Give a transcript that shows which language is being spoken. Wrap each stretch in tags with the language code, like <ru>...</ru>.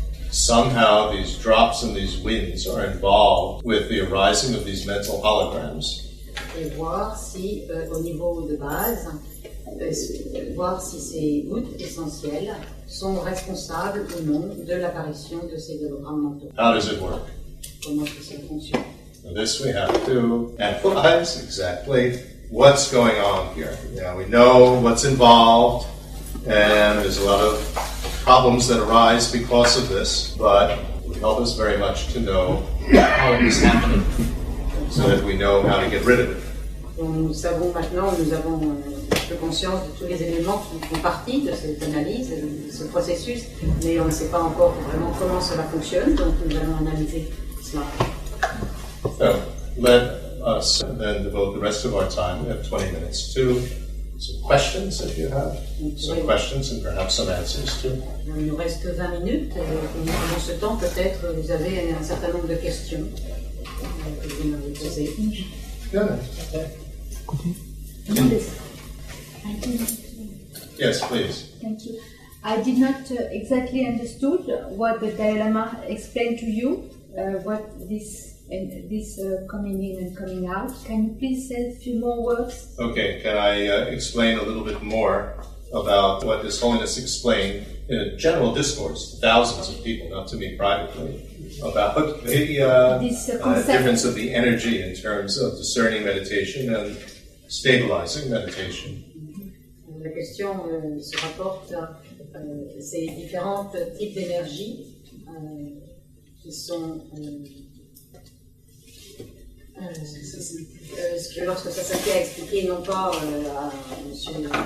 <en>somehow these drops and these winds are involved with the arising of these mental holograms.</en> <fr>Et voir si, au niveau de base, voir si ces gouttes essentielles sont responsables ou non de l'apparition de ces hologrammes mentaux.</fr> <en>How does it work?</en> <fr>Comment est-ce que ça fonctionne?</fr> <en>This we have to analyze exactly what's going on here. Now we know what's involved, and there's a lot of problems that arise because of this, but it would help us very much to know how it is happening, so that we know how to get rid of it.</en> <fr>Donc nous savons maintenant, nous avons conscience de tous les éléments qui font partie de cette analyse, de ce processus, mais on ne sait pas encore vraiment comment cela fonctionne, donc nous allons analyser cela.</fr> <en>So, let us then devote the rest of our time, we have 20 minutes, to some questions if you have. Some questions and perhaps some answers too.</en> <fr>Il nous reste 20 minutes, et pendant ce temps, peut-être vous avez un certain nombre de questions que vous m'avez posées.</fr> <en>Yes, please. Thank you. I did not exactly understood what the Dalai Lama explained to you, what this and this coming in and coming out. Can you please say a few more words? Okay, can I explain a little bit more about what His Holiness explained in a general discourse to thousands of people, not to me privately, about the difference of the energy in terms of discerning meditation and stabilizing meditation.</en> <fr>La question se rapporte à ces différents types d'énergie qui sont que lorsque ça s'est expliqué non pas à M.</fr>